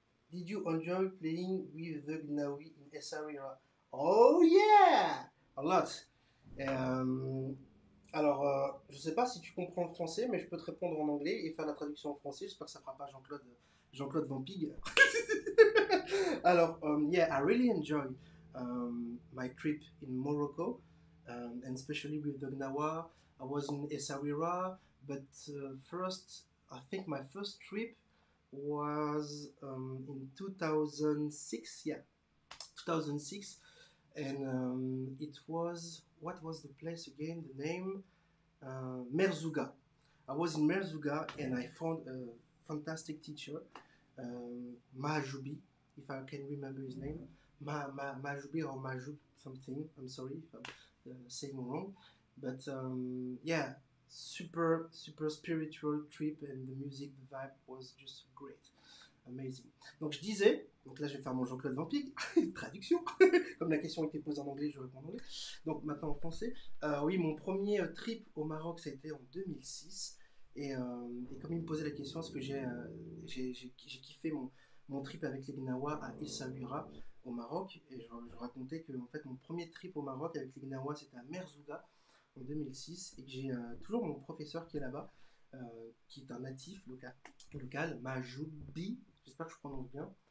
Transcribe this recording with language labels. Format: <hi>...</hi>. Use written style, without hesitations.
<en>Did you enjoy playing with the Gnawi in SRE? Oh yeah! A lot!</en> <fr>Alors, je ne sais pas si tu comprends le français, mais je peux te répondre en anglais et faire la traduction en français. J'espère que ça ne fera pas Jean-Claude Van Pig.</fr> <en>Alors, yeah, I really enjoy my trip in Morocco, and especially with the Gnawa. I was in Essaouira, but first, I think my first trip was in 2006, yeah, 2006, and it was, what was the place again, the name? Merzouga. I was in Merzouga and I found a fantastic teacher, Mahjoubi, if I can remember his name, Mahjoubi or Mahjoub something, I'm sorry if I'm saying wrong, but yeah. Super, super spiritual trip and the music, the vibe was just great, amazing.</en> <fr>Donc je disais, donc là je vais faire mon Jean-Claude Van Pig, traduction, comme la question était posée en anglais, je réponds en anglais. Donc maintenant en français, oui, mon premier trip au Maroc, ça a été en 2006. Et comme il me posait la question, est-ce que j'ai kiffé mon trip avec les Gnawa à Essaouira au Maroc, et je racontais que en fait mon premier trip au Maroc avec les Gnawa, c'était à Merzouga en 2006, et que j'ai toujours mon professeur qui est là-bas, qui est un natif local, Majoubi, j'espère que je prononce bien.</fr>